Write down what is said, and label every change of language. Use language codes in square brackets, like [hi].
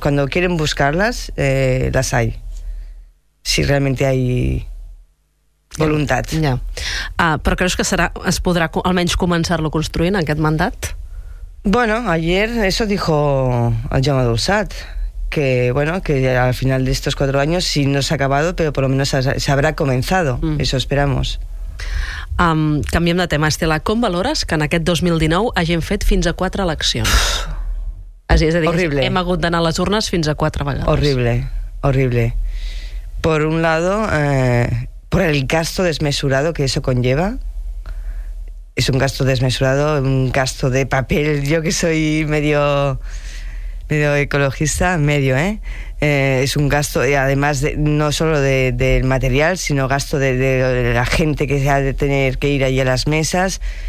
[es] Cuando quieren buscarlas, las hay. Si realmente hay... [ca] voluntat. Ja. Però creus que es podrà almenys començar-lo construint aquest mandat? [es] Bueno, ayer eso dijo el Jaume Dolçat, que bueno, que al final de estos 4 años sí no s'ha acabado, pero por lo menos se habrá comenzado, eso esperamos. [ca] Canviem de tema, Estela, com valores que en aquest 2019 hagin fet fins a 4 eleccions? És a dir, hem hagut d'anar a les urnes fins a 4 vegades. Horrible. [es] Por un lado, por el gasto desmesurado que eso conlleva. Es un gasto desmesurado, un gasto de papel. Yo que soy medio ecologista, es un gasto, además de, no solo del material, sino gasto de la gente que se ha de tener que ir allí a las mesas.